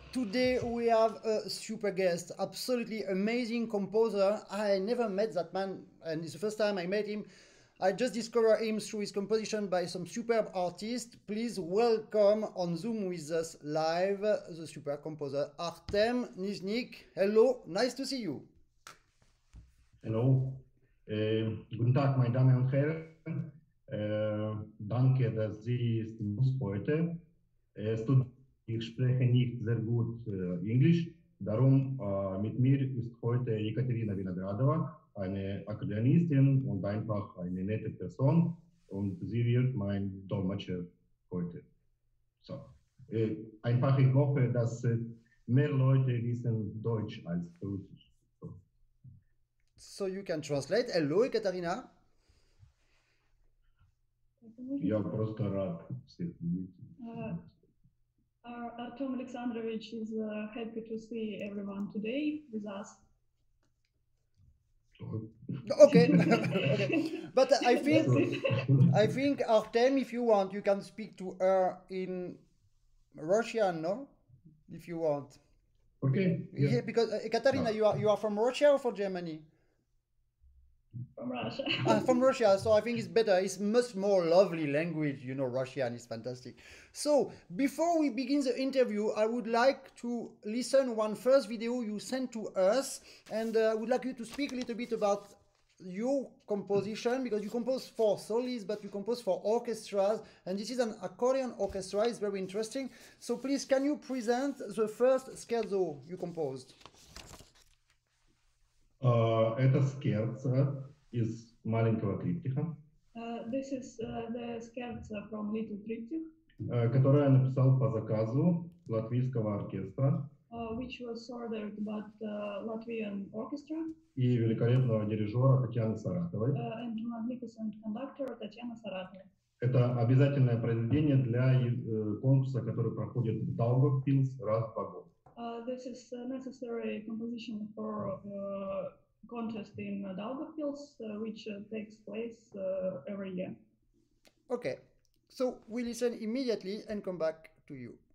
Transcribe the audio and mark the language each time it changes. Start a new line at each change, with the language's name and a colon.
English: Today we have a super guest, absolutely amazing composer. I never met that man, and it's the first time I met him. I just discovered him through his composition by some superb artist. Please welcome on Zoom with us live the super composer Artem Nizhnik. Hello, nice to see you. Hello.
German: Guten Tag, meine Damen und Herren. Danke, dass Sie uns heute. Ich spreche nicht sehr gut Englisch, darum mit mir ist heute Ekaterina Vinogradova, eine Akkordeonistin und einfach eine nette Person, und sie wird mein Dolmetscher heute. So, einfach, ich hoffe, dass mehr Leute wissen Deutsch als Russisch.
English: So, so you can translate. Hello, Ekaterina.
Russian: Я просто рад всех видеть.
English: Artem Alexandrovich is happy to see everyone today with us. Okay. But I think Artem, if you want, you can speak to her in Russian, no? If you want. Okay. Yeah, because Ekaterina, you are from Russia or from Germany? From Russia. From Russia, so I think it's better. It's much more lovely language, you know, Russian is fantastic. So, before we begin the interview, I would like to listen one first video you sent to us, and I would like you to speak a little bit about your composition, because you compose for solos, but you compose for orchestras, and this is an accordion orchestra, it's very interesting. So please, can you present the first scherzo you composed?
Russian: Это скерцо из маленького триптиха.
English: This is the scherzo from Little Triptych.
Russian: Которое я написал по заказу латвийского оркестра.
English: Which was ordered by the Latvian orchestra.
Russian: И великолепного дирижера Татьяны Саратовой.
English: And magnificent conductor Татьяна Саратова.
Russian: Это обязательное произведение для конкурса, который проходит в Даугавпилс раз в год.
English: This is a necessary composition for contest in Daugavpils, which takes place every year. Okay, so we listen immediately and come back to you.